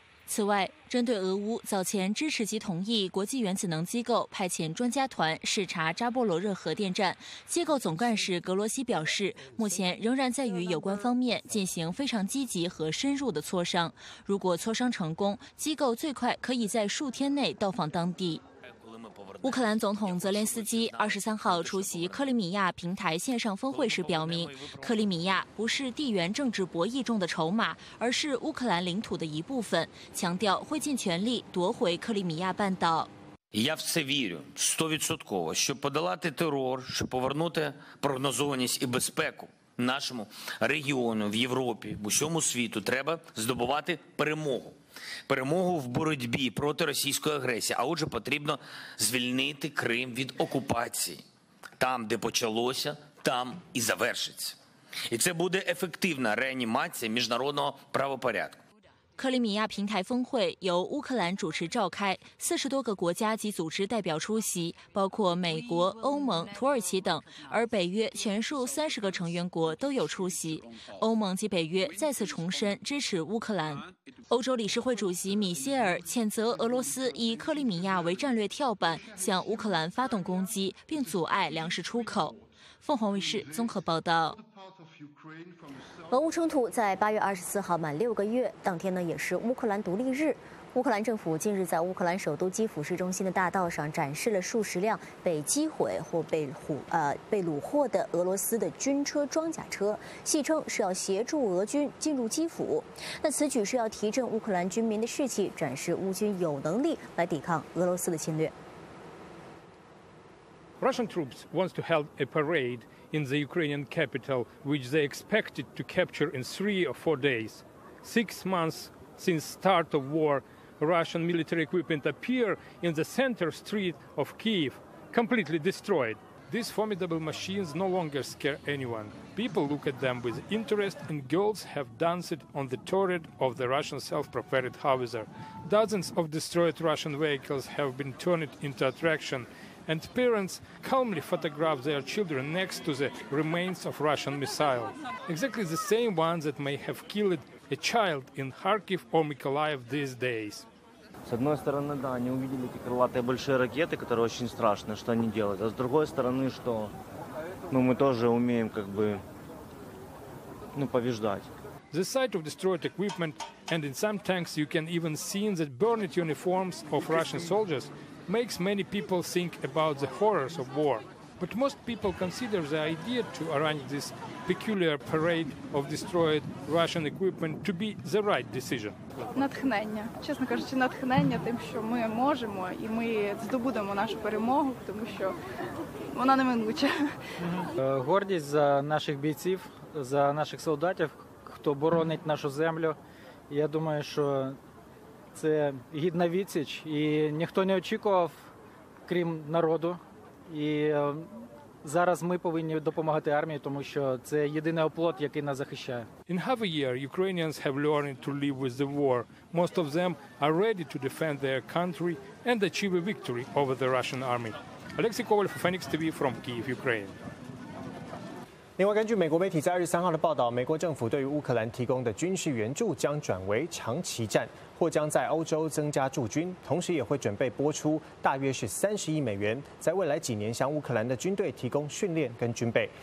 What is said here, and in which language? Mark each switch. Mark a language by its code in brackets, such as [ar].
[zh] 此外，针对俄乌早前支持及同意国际原子能机构派遣专家团视察扎波罗热核电站，机构总干事格罗西表示，目前仍然在与有关方面进行非常积极和深入的磋商，如果磋商成功，机构最快可以在数天内到访当地。乌克兰总统泽连斯基23号出席克里米亚平台线上峰会时表明，克里米亚不是地缘政治博弈中的筹码，而是乌克兰领土的一部分，强调会尽全力夺回克里米亚半岛。 [uk] Я в це вірю, 100%, щоб подолати терор, щоб повернути прогнозованість і безпеку нашому регіону в Європі, в усьому світу, треба здобувати перемогу. Перемогу в боротьбі проти російської агресії, а отже потрібно звільнити Крим від окупації. Там, де почалося, там і завершиться. І це буде ефективна реанімація міжнародного правопорядку. [zh] 克里米亚平台峰会由乌克兰主持召开，40多个国家及组织代表出席，包括美国、欧盟、土耳其等，而北约全数30个成员国都有出席。欧盟及北约再次重申支持乌克兰。欧洲理事会主席米歇尔谴责俄罗斯以克里米亚为战略跳板，向乌克兰发动攻击，并阻碍粮食出口。凤凰卫视综合报道。俄乌冲突在8月24号满6个月，当天呢也是乌克兰独立日。乌克兰政府近日在乌克兰首都基辅市中心的大道上展示了数十辆被击毁或被掳获的俄罗斯的军车装甲车，戏称是要协助俄军进入基辅。那此举是要提振乌克兰军民的士气，展示乌军有能力来抵抗俄罗斯的侵略。 [en] Russian troops wants to hold a parade in the Ukrainian capital, which they expected to capture in 3 or 4 days. 6 months since start of war, Russian military equipment appear in the center street of Kyiv, completely destroyed. These formidable machines no longer scare anyone. People look at them with interest, and girls have danced on the turret of the Russian self-propelled howitzer. Dozens of destroyed Russian vehicles have been turned into attraction. And parents calmly photograph their children next to the remains of Russian missiles, exactly the same ones that may have killed a child in Kharkiv or Mykolaiv these days. [ru] С одной стороны, да, они увидели эти крылатые большие ракеты, которые очень страшны, что они делают. А с другой стороны, что, ну, мы тоже умеем, как бы, ну, побеждать. [en] The sight of destroyed equipment, and in some tanks you can even see the burned uniforms of Russian soldiers, makes many people think about the horrors of war. But most people consider the idea to arrange this peculiar parade of destroyed Russian equipment to be the right decision. [uk] Натхнення, чесно кажучи, натхнення тим, що ми можемо і ми здобудемо нашу перемогу, тому що вона неминуча. Гордість за наших бійців, за наших солдатів. Хто боронить нашу землю, я думаю, що це гідна відсіч, і ніхто не очікував, крім народу. І зараз ми повинні допомагати армії, тому що це єдиний оплот, який нас захищає. [en] In half a year, Ukrainians have learned to live with the war. Most of them are ready to defend their country and achieve a victory over the Russian army. Алексей Коваль, Phoenix TV from Kyiv, Ukraine. [zh] 另外，根据美国媒体在23号的报道，美国政府对于乌克兰提供的军事援助将转为长期战，或将在欧洲增加驻军，同时也会准备拨出大约是30亿美元，在未来几年向乌克兰的军队提供训练跟军备。